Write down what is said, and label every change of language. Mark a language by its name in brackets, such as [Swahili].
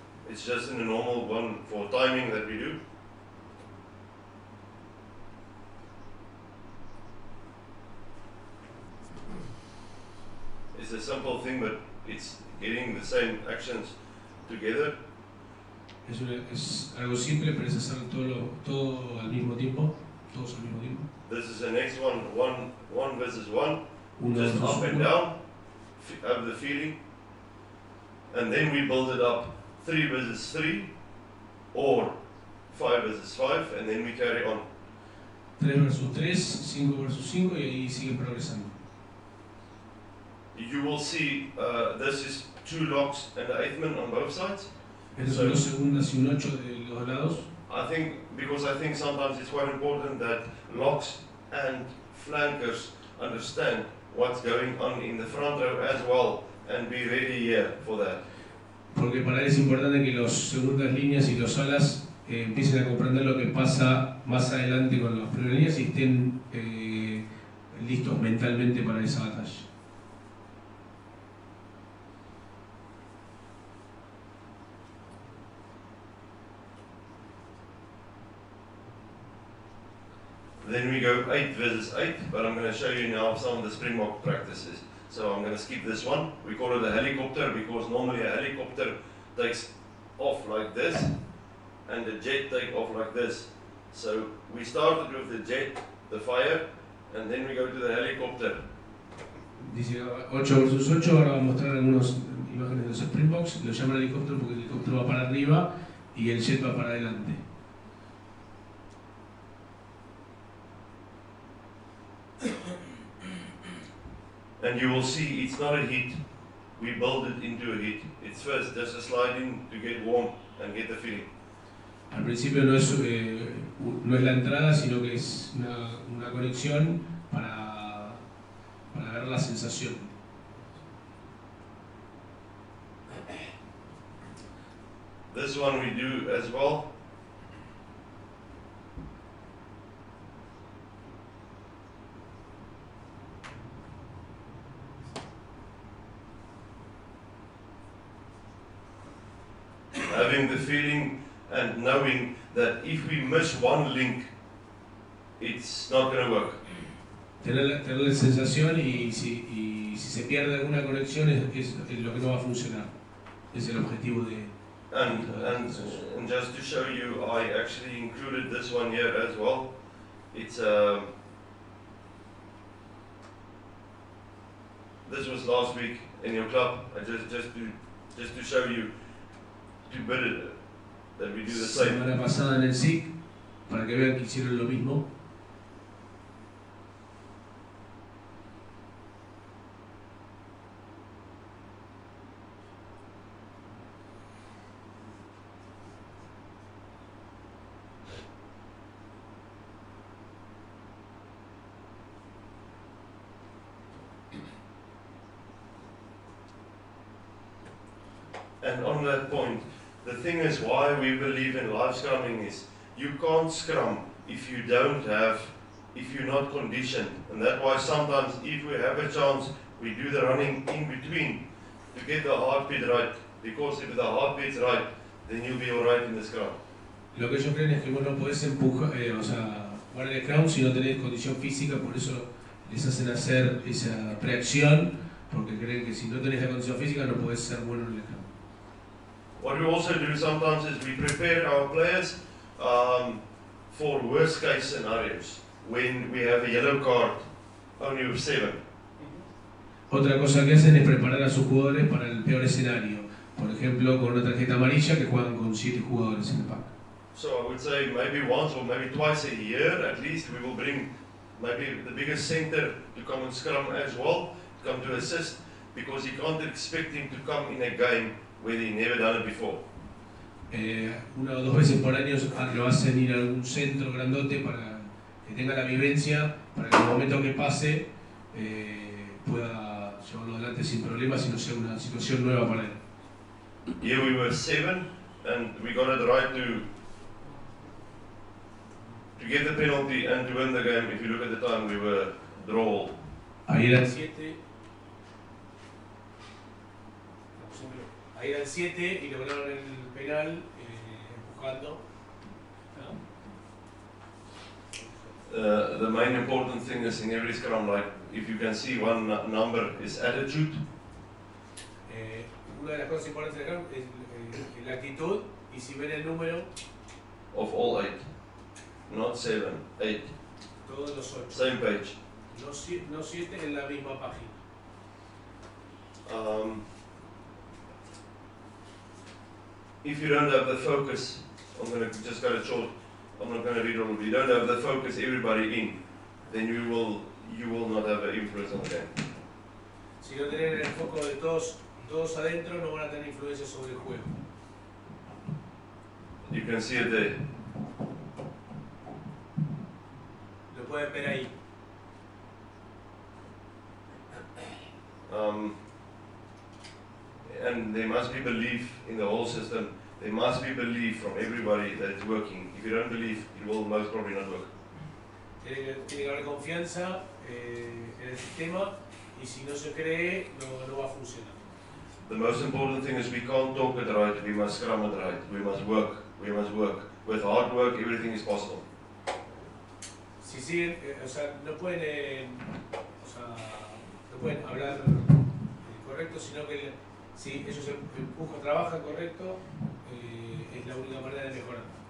[English] It's just in a normal one for timing that we do. It's a simple thing, but it's getting the same actions together. [Spanish] Es algo simple, pero es hacer todo al mismo tiempo, todos al mismo tiempo. [English] This is the next one, one versus one. [Spanish] Uno, [English] just [Spanish] dos, [English] up [Spanish] uno. [English] And down, have the feeling. And then we build it up, three versus three, or 5 versus 5, and then we carry on. [Spanish] 3 versus 3, 5 versus 5, y ahí sigue progresando. [English] You will see this is 2 locks and an 8th man on both sides. [Spanish] Esos son 2 segundas y un 8 de los lados. [English] I think, because I think sometimes it's quite important that locks and flankers understand what's going on in the front row as well and be ready here for that. [Spanish] Porque para él es importante que los segundas líneas y los alas empiecen a comprender lo que pasa más adelante con las primeras líneas y estén listos mentalmente para esa batalla. [English] Then we go 8 versus 8, but I'm going to show you now some of the Springbok practices. So I'm going to skip this one. We call it a helicopter because normally a helicopter takes off like this and the jet takes off like this. So we started with the jet, the fire, and then we go to the helicopter. [Spanish] Dice 8 versus 8, ahora voy a mostrar algunas imágenes de los Springboks. Lo llaman helicóptero porque el helicóptero va para arriba y el jet va para adelante. [English] And you will see it's not a heat, we build it into a heat. It's first just a sliding to get warm and get the feeling. [Spanish] Al principio no es, no es la entrada, sino que es una conexión para ver la sensación. [English] This one we do as well. Having the feeling and knowing that if we miss one link, it's not going to work. [Spanish] Tener la sensación y si se pierde alguna conexión es lo que no va a funcionar. Es el objetivo de. [English] And just to show you, I actually included this one here as well. It's this was last week in your club. I just to show you. That we do the same. [Spanish] Semana pasada en el SIC, para que vean que hicieron lo mismo. [English] And on that point, the thing is why we believe in live scrumming is you can't scrum if you're not conditioned. And that's why sometimes if we have a chance, we do the running in between to get the heartbeat right. Because if the heartbeat's right, then you'll be alright in the scrum. [Spanish] Lo que ellos creen es que vos no podés empujar, o sea, jugar el scrum si no tenés condición física, por eso les hacen hacer esa preacción, porque creen que si no tenés la condición física no podés ser bueno en el scrum. [English] What we also do sometimes is we prepare our players for worst case scenarios when we have a yellow card only with 7. [Spanish] Otra cosa que hacen es preparar a sus jugadores para el peor escenario. Por ejemplo, con una tarjeta amarilla que juegan con 7 jugadores en el pack. [English] So I would say maybe once or maybe twice a year at least we will bring maybe the biggest center to come and scrum as well, to come to assist, because you can't expect him to come in a game where they've never done it before. [Spanish] Una o dos veces por año lo hacen ir a un centro grandote para que tenga la vivencia, para que en el momento que pase pueda llevarlo adelante sin problemas y no sea una situación nueva para él. [English] Here we were 7 and we got it right to get the penalty and to win the game. If you look at the time, we were draw. [Spanish] Ahí eran 7. Ahí eran 7 y lograron el penal empujando. [English] The main important thing is in every scrum, like if you can see one number is attitude. [Spanish] Una de las cosas importantes del scrum es la actitud y si ven el número. [English] Of all 8. Not 7, 8. [Spanish] Todos los 8. [English] Same page. [Spanish] No 7 en la misma página. [English] If you don't have the focus, I'm going to just cut it short. I'm not going to read all of it. You don't have the focus everybody in, then you will not have an influence on the game. [Spanish] Si no tienen el foco de todos adentro, no van a tener influencia sobre el juego. [English] You can see it there. [Spanish] Lo pueden ver ahí. [English] And there must be belief in the whole system. There must be belief from everybody that it's working. If you don't believe, it will most probably not work. [Spanish] Tiene que haber confianza en el sistema, y si no se cree, no va a funcionar. [English] The most important thing is we can't talk it right, we must scrum it right. We must work. With hard work, everything is possible. [Spanish] Si siguen, o sea, no pueden, o sea, no pueden hablar correcto, sino que si ellos empujan, trabajan correcto, es la única manera de mejorar.